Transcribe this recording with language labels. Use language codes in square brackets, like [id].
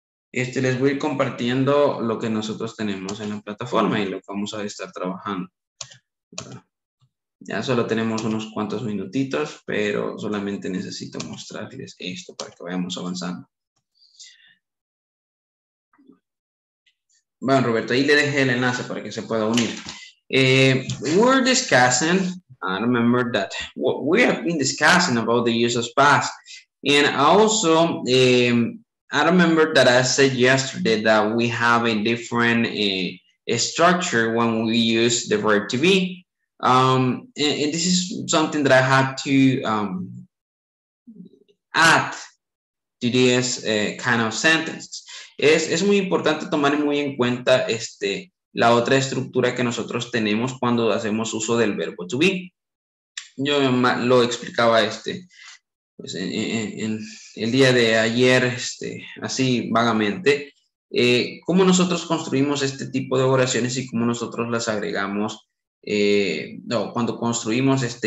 [es] Les voy a ir compartiendo lo que nosotros tenemos en la plataforma y lo que vamos a estar trabajando. Ya solo tenemos unos cuantos minutitos, pero solamente necesito mostrarles esto para que vayamos avanzando. Bueno, Roberto, ahí le dejé el enlace para que se pueda unir. [en] We're discussing, I remember that, we have been discussing about the use of past. And also, I remember that I said yesterday that we have a different structure when we use the verb to be. And this is something that I had to add to this kind of sentence. [es] Es muy importante tomar muy en cuenta la otra estructura que nosotros tenemos cuando hacemos uso del verbo to be. Yo lo explicaba pues en el día de ayer, así vagamente, cómo nosotros construimos este tipo de oraciones y cómo nosotros las agregamos, cuando construimos